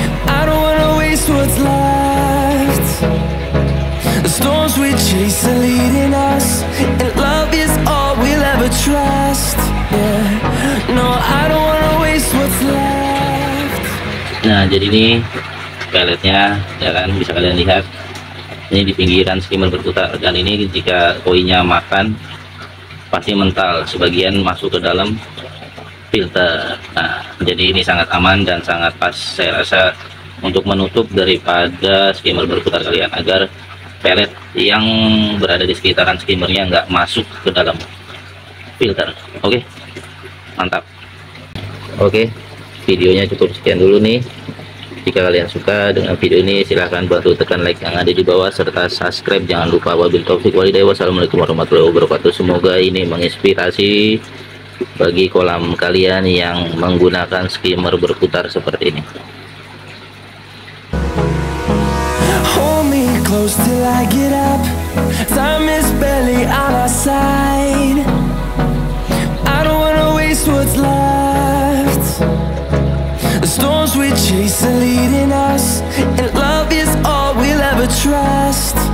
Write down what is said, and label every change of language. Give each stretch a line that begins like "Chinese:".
English: I don't wanna waste what's left. The storms we chase are leading us, and love is all we'll ever trust. Yeah, no, I don't wanna waste what's left.
Indonesian: Nah, jadi ini peletnya ya kan, bisa kalian lihat ini di pinggiran skimmer berputar, dan ini jika koinya makan pasti mental, sebagian masuk ke dalam filter. Nah, jadi ini sangat aman dan sangat pas saya rasa untuk menutup daripada skimmer berputar kalian, agar pelet yang berada di sekitaran skimmernya nggak masuk ke dalam filter. Oke, mantap. Oke, videonya cukup sekian dulu nih. Jika kalian suka dengan video ini, silahkan bantu tekan like yang ada di bawah serta subscribe. Jangan lupa, wabil taufik walidaya, wassalamualaikum warahmatullahi wabarakatuh. Semoga ini menginspirasi bagi kolam kalian yang menggunakan skimmer berputar seperti ini.
English: Hold me close till I get up, time is barely on our side. I don't chase what's left. The storms we chase are leading us, and love is all we'll ever trust.